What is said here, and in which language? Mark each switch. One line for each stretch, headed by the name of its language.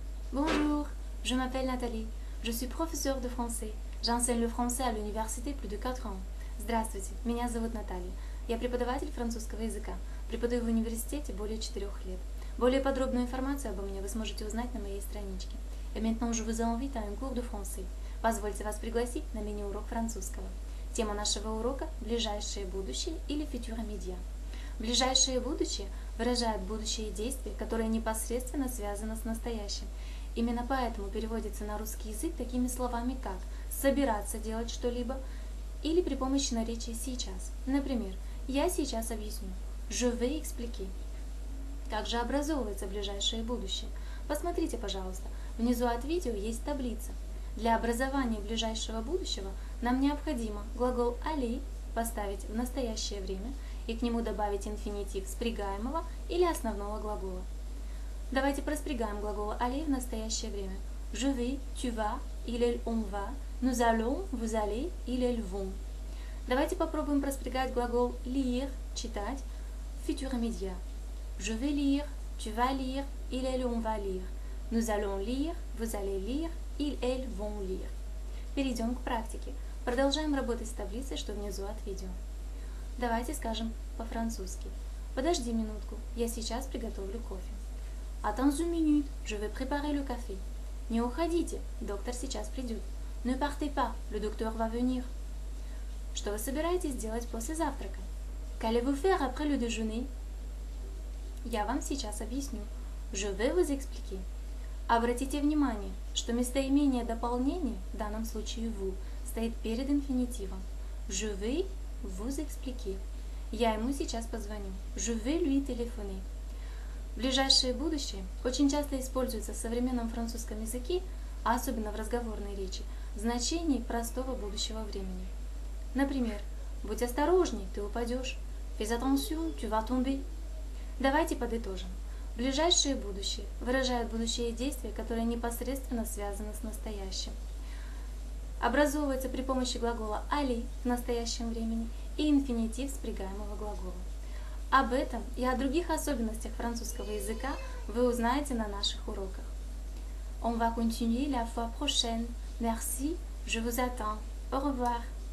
French: Bonjour, je m'appelle Nathalie. Je suis professeure de français. J'enseigne le français à l'université plus de 4 ans.
Russian: Здравствуйте, меня зовут Наталья. Я преподаватель французского языка. Преподаю в университете более 4 лет. Более подробную информацию обо мне вы сможете узнать на моей страничке.
French: Et maintenant, je vous invite à un cours de français.
Russian: Позвольте вас пригласить на мини-урок французского. Тема нашего урока – ближайшее будущее или futur immédiat. Ближайшее будущее выражает будущее действие, которое непосредственно связано с настоящим. Именно поэтому переводится на русский язык такими словами, как «собираться делать что-либо» или при помощи наречия «сейчас». Например, «я сейчас объясню».
French: «Je vais expliquer».
Russian: Как же образовывается ближайшее будущее? Посмотрите, пожалуйста, внизу от видео есть таблица. Для образования ближайшего будущего нам необходимо глагол «aller» поставить в настоящее время и к нему добавить инфинитив спрягаемого или основного глагола. Давайте проспрягаем глаголы «aller» в настоящее время. Je vais, tu vas, il est, on va, nous allons, vous allez, il est, vont. Давайте попробуем проспрягать глагол «lire» – читать в futur immédiat. Je vais lire, tu vas lire, il est, on va lire, nous allons lire, vous allez lire, ils, elles vont lire. Перейдем к практике. Продолжаем работать с таблицей, что внизу от видео. Давайте скажем по-французски. Подожди минутку, я сейчас приготовлю кофе.
French: Attends une minute, je vais préparer le café.
Russian: Не уходите, доктор сейчас придет.
French: Ne partez pas, le docteur va venir.
Russian: Что вы собираетесь делать после завтрака?
French: Qu'allez-vous faire après le déjeuner?
Russian: Я вам сейчас объясню.
French: Je vais vous expliquer.
Russian: Обратите внимание, что местоимение дополнение, в данном случае vous, стоит перед инфинитивом.
French: Je vais vous expliquer.
Russian: Я ему сейчас позвоню.
French: Je vais lui téléphoner.
Russian: Ближайшее будущее очень часто используется в современном французском языке, а особенно в разговорной речи, в значении простого будущего времени. Например, будь осторожней, ты упадешь.
French: Fais attention, tu vas tomber.
Russian: Давайте подытожим. Ближайшее будущее выражает будущее действие, которое непосредственно связано с настоящим. Образовывается при помощи глагола «aller» в настоящем времени и инфинитив спрягаемого глагола. Об этом и о других особенностях французского языка вы узнаете на наших уроках.
French: On va continuer la fois prochaine. Merci, je vous attends. Au revoir.